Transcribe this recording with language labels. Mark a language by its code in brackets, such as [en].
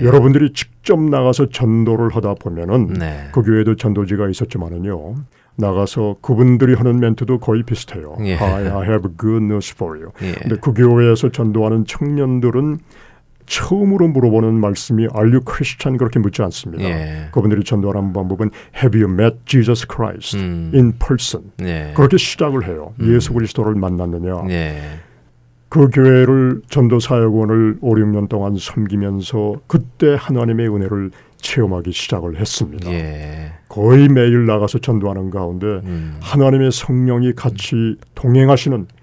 [ko] 여러분들이 직접 나가서 전도를 하다 보면은 네. 그 교회도 전도지가 있었지만은요. 나가서 그분들이 하는 멘트도 거의 비슷해요. 예. [en] I have good news for you. [ko] 예. 근데 그 교회에서 전도하는 청년들은 처음으로 물어보는 말씀이 [en] Are you Christian? [ko] 그렇게 묻지 않습니다. 예. 그분들이 전도하는 방법은 [en] Have you met Jesus Christ in person? [ko] 예. 그렇게 시작을 해요. 예수 그리스도를 만났느냐. 예. 그 교회를 전도사역원을 5, 6년 동안 섬기면서 그때 하나님의 은혜를 체험하기 시작을 했습니다. 예. 거의 매일 나가서 전도하는 가운데 하나님의 성령이 같이 동행하시는